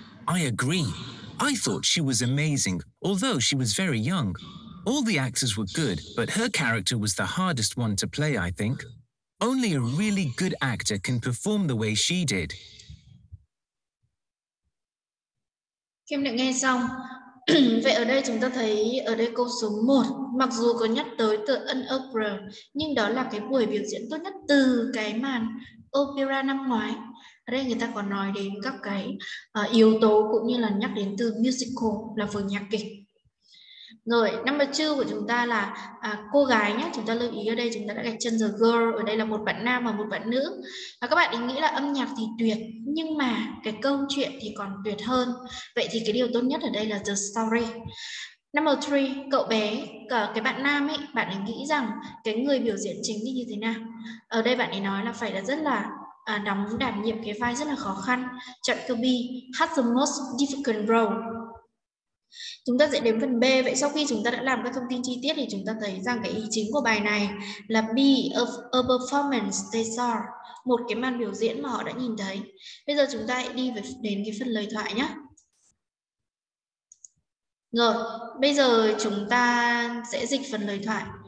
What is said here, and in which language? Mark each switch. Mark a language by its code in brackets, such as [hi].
[en] I agree. I thought she was amazing, although she was very young. All the actors were good, but her character was the hardest one to play, I think. Only a really good actor can perform the way she did. [vi] Em đã nghe xong. Vậy ở đây chúng ta thấy, ở đây câu số 1, mặc dù có nhắc tới tựa An Opera, nhưng đó là cái buổi biểu diễn tốt nhất từ cái màn opera năm ngoái. Ở đây người ta còn nói đến các cái yếu tố cũng như là nhắc đến từ musical là vở nhạc kịch. Rồi, number 2 của chúng ta là cô gái nhé. Chúng ta lưu ý ở đây chúng ta đã gạch chân the girl. Ở đây là một bạn nam và một bạn nữ. Và các bạn ý nghĩ là âm nhạc thì tuyệt, nhưng mà cái câu chuyện thì còn tuyệt hơn. Vậy thì cái điều tốt nhất ở đây là the story. Number 3, cậu bé, cái bạn nam ấy, bạn ấy nghĩ rằng cái người biểu diễn chính thì như thế nào? Ở đây bạn ấy nói là phải là rất là đảm nhiệm cái vai rất là khó khăn. Chọn câu B, [en] has the most difficult role. [vi] Chúng ta sẽ đến phần B. Vậy sau khi chúng ta đã làm các thông tin chi tiết thì chúng ta thấy rằng cái ý chính của bài này là B, [en] a performance they saw. [vi] Một cái màn biểu diễn mà họ đã nhìn thấy. Bây giờ chúng ta hãy đi đến cái phần lời thoại nhé. Rồi, bây giờ chúng ta sẽ dịch phần lời thoại.